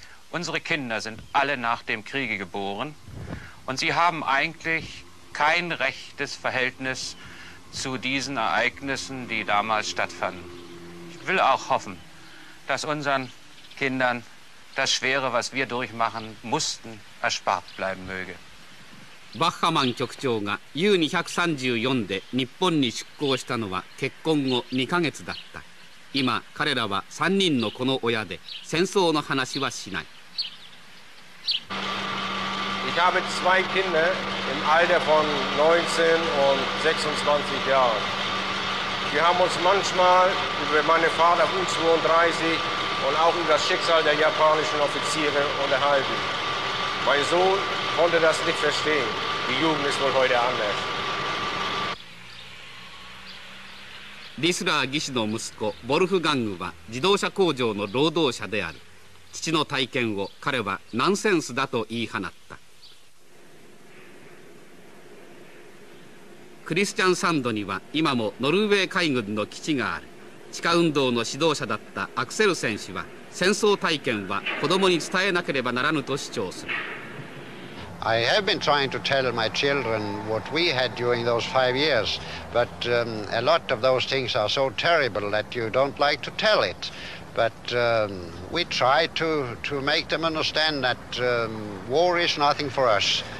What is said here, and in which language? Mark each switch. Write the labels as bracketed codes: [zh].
[de] Unsere Kinder sind alle nach dem Kriege geboren und sie haben eigentlich kein rechtes Verhältnis zu diesen Ereignissen, die damals stattfanden. Ich will auch hoffen, dass unseren Kindern das Schwere, was wir durchmachen mussten, erspart bleiben möge. [ja] バッハマン局長が U-234 で日本に出航したのは結婚後2ヶ月だった。今彼らは3人の子の親で戦争の話はしない。 [de] Ich habe zwei Kinder im Alter von 19 und 26 Jahren. Wir haben uns manchmal über meinen Vater U-32 und auch über das Schicksal der japanischen Offiziere unterhalten. Mein Sohn konnte das nicht verstehen. Die Jugend ist wohl heute anders. [ja] リスラー技師の息子ボルフガングは自動車工場の労働者である。父の体験を彼はナンセンスだと言い放った。クリスチャンサンドには今もノルウェー海軍の基地がある。地下運動の指導者だったアクセル選手は戦争体験は子供に伝えなければならぬと主張する。 [en] I have been trying to tell my children what we had during those 5 years, but a lot of those things are so terrible that you don't like to tell it. But we try to make them understand that war is nothing for us.